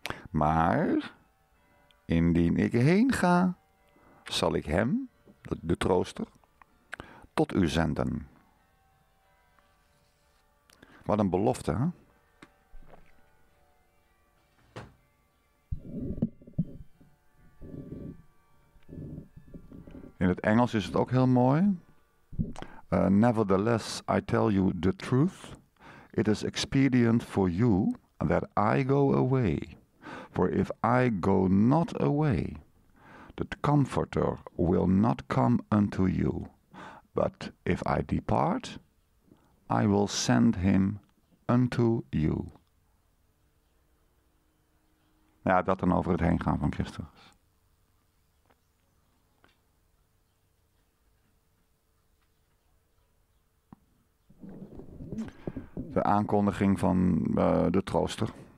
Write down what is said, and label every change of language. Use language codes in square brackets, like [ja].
[nl] Maar indien ik heen ga, zal ik hem, de trooster, tot u zenden. Wat een belofte, hè? In het Engels is het ook heel mooi. [en] Nevertheless, I tell you the truth. It is expedient for you that I go away. For if I go not away, the Comforter will not come unto you. But if I depart, I will send him unto you. [nl] Ja, dat dan over het heen gaan van Christus. De aankondiging van de trooster.